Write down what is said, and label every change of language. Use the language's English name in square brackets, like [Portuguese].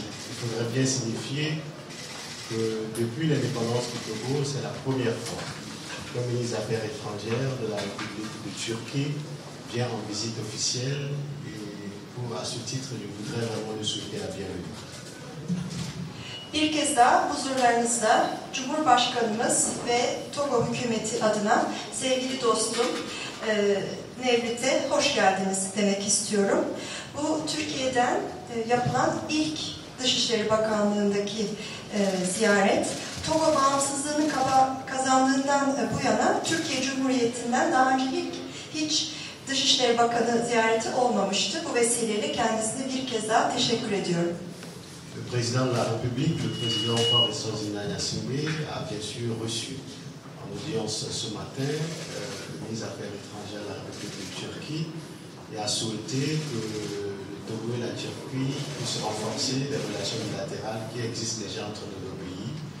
[French] Il faudrait bien signifier que depuis l'indépendance du Togo, c'est la première fois qu'un ministre des Affaires étrangères de la République de Turquie vient en visite officielle. À ce titre, je voudrais vraiment le souhaiter la bienvenue. [Turkish] Bir kez daha huzurlarınızda Cumhurbaşkanımız ve Togo hükümeti adına sevgili dostum Nevlet'e hoş geldiniz demek istiyorum. Bu Türkiye'den yapılan ilk Dışişleri Bakanlığındaki ziyaret. Togo bağımsızlığını kazandığından bu yana Türkiye Cumhuriyeti'nden daha önce hiç Dışişleri Bakanı ziyareti olmamıştı. Bu vesileyle kendisine bir kez daha teşekkür ediyorum. [French] Le président de la République, le président Faure Sassimania Singwe, a bien sûr reçu en audience ce matin le ministre des Affaires étrangères de la République de Turquie et a souhaité que le Togo et la Turquie puissent renforcer les relations bilatérales qui existent déjà entre nos deux pays.